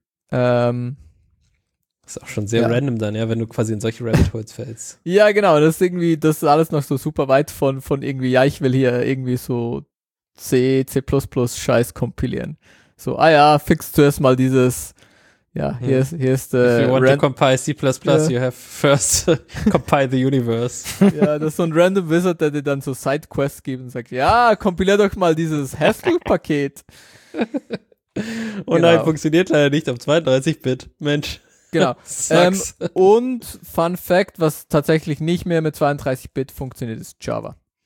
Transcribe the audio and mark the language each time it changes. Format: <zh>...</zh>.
<de>Ist auch schon sehr random dann, ja, wenn du quasi in solche Rabbit Holes fällst. Ja, genau, das ist irgendwie, das ist alles noch so super weit von irgendwie, ja, ich will hier irgendwie so C, C++-Scheiß kompilieren. So, ah ja, fix zuerst mal dieses... Ja, hier ist der.</de> <en>If you want to compile C++, you have first compile the universe.</en> <de>Ja, das ist so ein random Wizard, der dir dann so Sidequests gibt und sagt, ja, kompilier doch mal dieses Haskell-Paket. Und genau. Nein, funktioniert leider nicht auf 32-Bit. Mensch. Genau. Und Fun Fact, was tatsächlich nicht mehr mit 32-Bit funktioniert, ist Java.</de>